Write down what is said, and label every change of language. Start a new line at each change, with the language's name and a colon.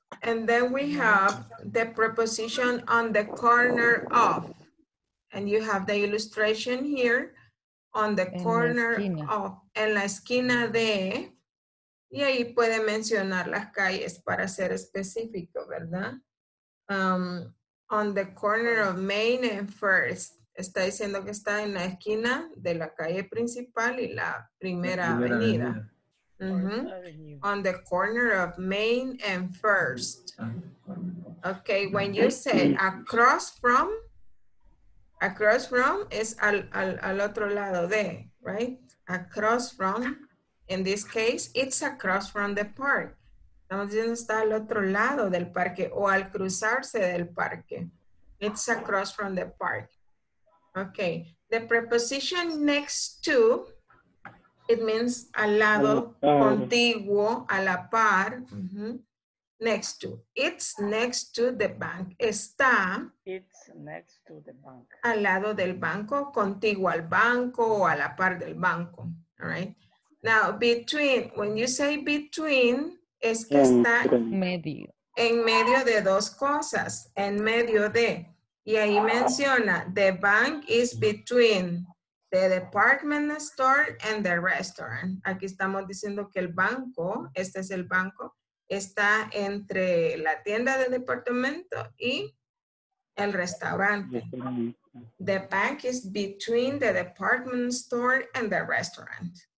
English: And then we have the preposition on the corner of. And you have the illustration here on the corner of.
Spanish: En la esquina de. Y ahí puede mencionar las calles para ser específico, ¿verdad?
English: On the corner of Main and First.
Spanish: Está diciendo que está en la esquina de la calle principal y la primera avenida.
English: Mm-hmm. On the corner of Main and First. Okay, when you say across from is
Spanish: al otro lado de,
English: right? Across from, in this case, it's across from the park.
Spanish: Estamos diciendo está al otro lado del parque o al cruzarse del parque.
English: It's across from the park. Okay, the preposition next to. It means
Spanish: al lado, contiguo, a la par.
English: Mm-hmm. Next to. It's next to the bank. Está. It's next to the bank.
Spanish: Al lado del banco, contiguo al banco o a la par del banco.
English: All right. Now, between. When you say between,
Spanish: es que está medio. En medio de dos cosas. En medio de. Y ahí menciona,
English: the bank is between the department store and the restaurant.
Spanish: Aquí estamos diciendo que el banco, este es el banco, está entre la tienda del departamento y el restaurante.
English: The bank is between the department store and the restaurant.